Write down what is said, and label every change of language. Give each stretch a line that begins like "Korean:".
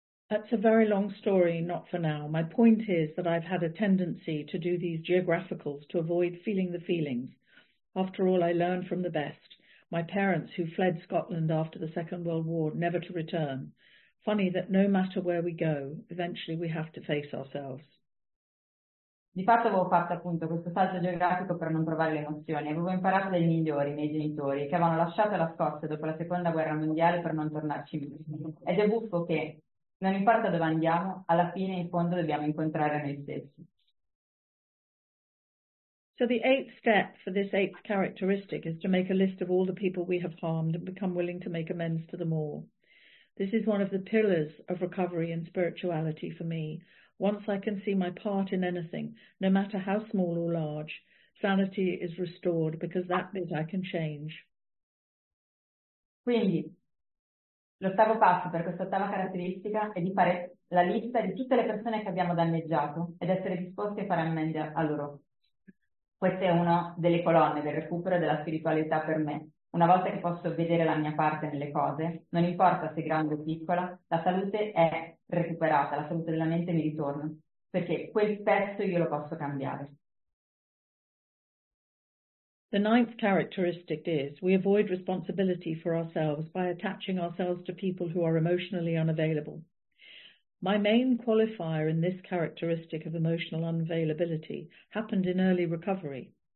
English: That's a very long story, not for now. My point is that I've had a tendency to do these geographicals to avoid feeling the feelings. After all, I learned from the best. My parents, who fled Scotland after the Second World War, never to return. Funny that no matter where we go, eventually we have to face ourselves.
Italian: Di fatto avevo fatto appunto questo salto geografico per non provare le emozioni. Avevo imparato dai migliori, i miei genitori, che avevano lasciato la Scozia dopo la Seconda Guerra Mondiale per non tornarci più. Ed è buffo che, non importa dove andiamo, alla fine in fondo dobbiamo incontrare noi stessi.
English: So the eighth step for this eighth characteristic is to make a list of all the people we have harmed and become willing to make amends to them all. This is one of the pillars of recovery and spirituality for me. Once I can see my part in anything, no matter how small or large, sanity is restored because that bit I can change.
Italian: Quindi, l'ottavo passo per questa ottava caratteristica è di fare la lista di tutte le persone che abbiamo danneggiato ed essere disposti a fare ammende a loro. Questa è una delle colonne del recupero della spiritualità per me. Una volta che posso vedere la mia parte nelle cose, non importa se grande o piccola, la salute è recuperata, la salute della mente mi ritorna, perché quel pezzo io lo posso cambiare.
English: The ninth characteristic is we avoid responsibility for ourselves by attaching ourselves to people who are emotionally unavailable. My main qualifier in this characteristic of emotional unavailability happened in early recovery.